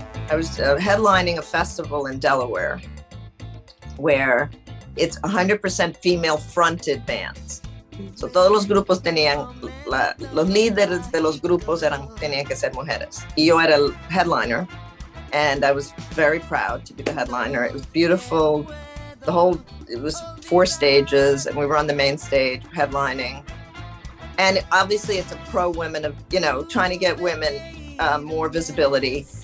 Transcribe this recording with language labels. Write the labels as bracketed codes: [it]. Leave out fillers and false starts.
[en] I was headlining a festival in Delaware where it's 100% female fronted bands. [es] So todos los grupos tenían, los líderes de los grupos tenían que ser mujeres. Y yo era el headliner, [en] and I was very proud to be the headliner. It was beautiful. It was four stages, and we were on the main stage headlining. And obviously it's a pro women of, you know, trying to get women more visibility.